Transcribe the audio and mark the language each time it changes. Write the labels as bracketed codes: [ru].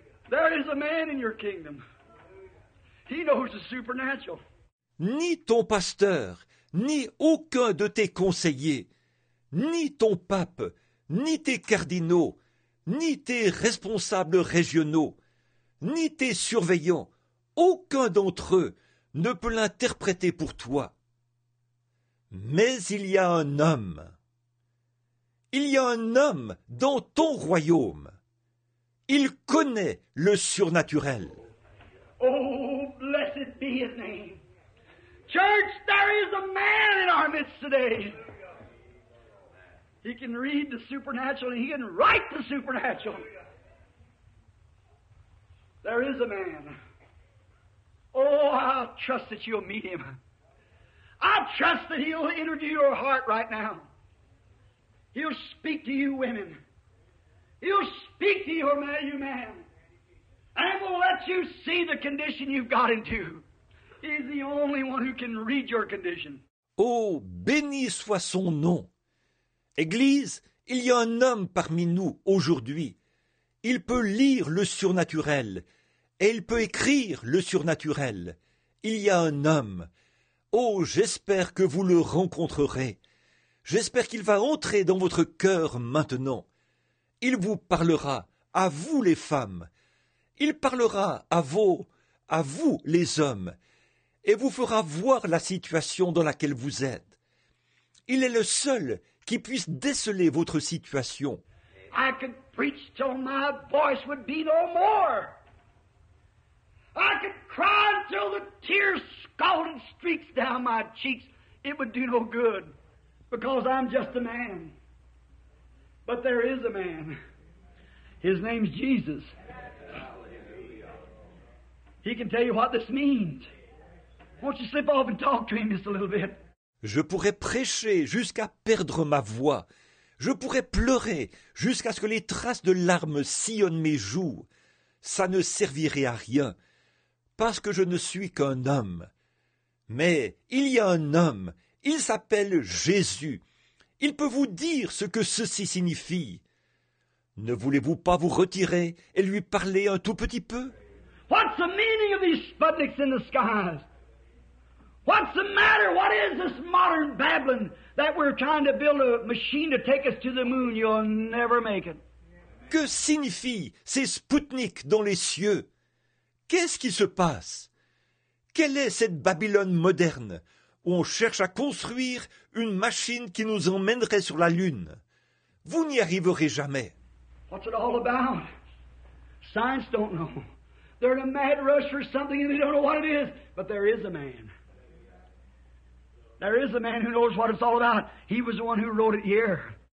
[en] There is a man in your kingdom. He knows the supernatural." [fr] Ni ton pasteur, ni aucun de tes conseillers. ni ton pape, ni tes cardinaux, ni tes responsables régionaux, ni tes surveillants, aucun d'entre eux ne peut l'interpréter pour toi. Mais il y a un homme. Il y a un homme dans ton royaume. Il connaît le surnaturel. [en] Oh, blessed be his name. Church, there is a man in our midst today. He can read the supernatural and he can write the supernatural. There is a man. Oh, I trust that you'll meet him. I trust that he'll interview your heart right now. He'll speak to you women. He'll speak to your man, you man. And will let you see the condition you've got into. He's the only one who can read your condition. [fr] Oh, béni soit son nom. Église, il y a un homme parmi nous aujourd'hui. Il peut lire le surnaturel. Et il peut écrire le surnaturel. Il y a un homme. Oh, j'espère que vous le rencontrerez. J'espère qu'il va entrer dans votre cœur maintenant. Il vous parlera, à vous les femmes. Il parlera à vous les hommes. Et vous fera voir la situation dans laquelle vous êtes. Il est le seul qui puisse déceler votre situation. [en] I could preach till my voice would be no more. I could cry until the tears scalded streaks down my cheeks. It would do no good, because I'm just a man. But there is a man. His name's Jesus. He can tell you what this means. Won't you slip off and talk to him just a little bit? [fr] Je pourrais prêcher jusqu'à perdre ma voix. Je pourrais pleurer jusqu'à ce que les traces de larmes sillonnent mes joues. Ça ne servirait à rien. Parce que je ne suis qu'un homme. Mais il y a un homme, il s'appelle Jésus. Il peut vous dire ce que ceci signifie. Ne voulez-vous pas vous retirer et lui parler un tout petit peu? [en] What's the meaning of these Sputniks in the skies? What's the matter? What is this modern Babylon that we're trying to build a machine to take us to the moon? You'll never make it. [fr] Que signifie ces Sputniks dans les cieux? Qu'est-ce qui se passe? Quelle est cette Babylone moderne où on cherche à construire une machine qui nous emmènerait sur la Lune? Vous n'y arriverez jamais. [en] What's it all about? Science don't know. They're in a mad rush for something and they don't know what it is. But there is a man. There is a man who knows what it's all about. He was the one who wrote it here.